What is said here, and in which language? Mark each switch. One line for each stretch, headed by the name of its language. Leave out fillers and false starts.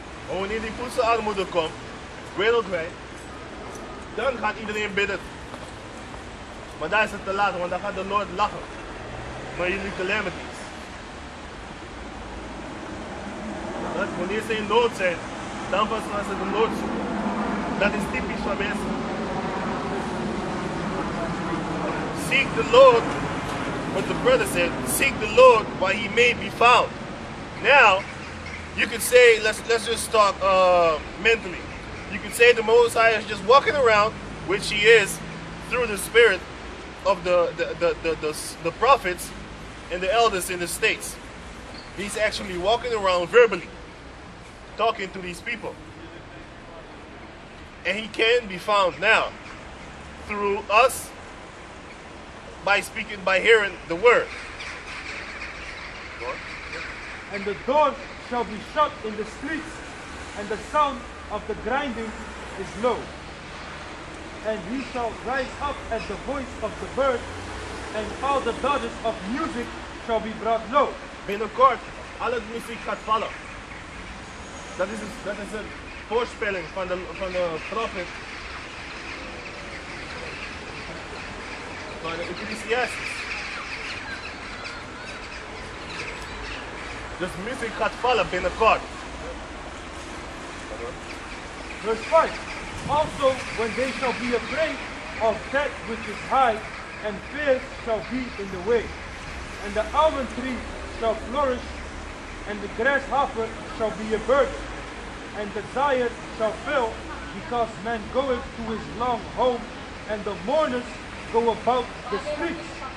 Dutch: En wanneer die voedselarmoede komt. Wereldwijd, dan gaat iedereen bidden. Maar daar is het te laat, want dan gaat de Lord lachen. Maar jullie calamities. Dat wanneer ze in nood zijn, dan pas gaan ze de nood zoeken. Dat is typisch van mensen.
English: Seek the Lord, what the brother said, seek the Lord while he may be found. Now, you could say, let's just talk mentally. You can say the Most High is just walking around, which he is, through the spirit of the prophets and the elders in the states. He's actually walking around verbally, talking to these people. And he can be found now through us by speaking, by hearing the word. And the door shall be shut in the streets, and the sound of the grinding is low, and he shall rise up at the voice of the bird, and all the daughters of music shall be brought low.
Dutch: Binnenkort, alle muziek gaat vallen. Dat is een voorspelling van de prophet van de Ecclesiastes. Dus muziek gaat vallen binnenkort.
English: Verse 5. Also, when they shall be afraid of that which is high, and fear shall be in the way, and the almond tree shall flourish, and the grasshopper shall be a burden, and the desire shall fail, because man goeth to his long home, and the mourners go about the streets.